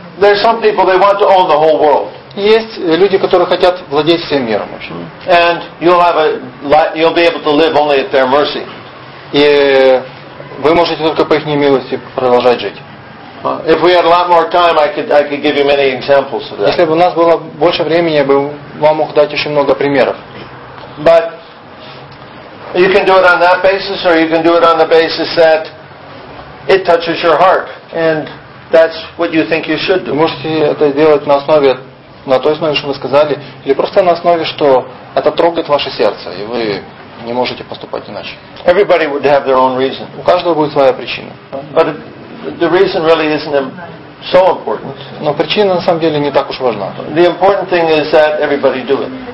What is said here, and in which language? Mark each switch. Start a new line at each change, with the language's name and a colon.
English: There are some people, they want to own the whole world.
Russian: Есть люди, которые хотят владеть всем миром.
English: And you'll be able to live only at their mercy.
Russian: И вы можете только по их милости продолжать жить.
English: If we had a lot more time, I could give you many examples of that.
Russian: Если бы у нас было больше времени, я бы вам мог дать очень много примеров.
English: But you can do it on that basis, or you can do it on the basis that it touches your heart, and that's what you think you should do.
Russian: Можете это делать на основе, на той основе, что мы сказали, или просто на основе, что это трогает ваше сердце, и вы не можете поступать иначе.
English: Everybody would have their own reason.
Russian: У каждого будет своя причина.
English: But the reason really isn't so important.
Russian: Но причина на самом деле не так уж важна.
English: The important thing is that everybody do it.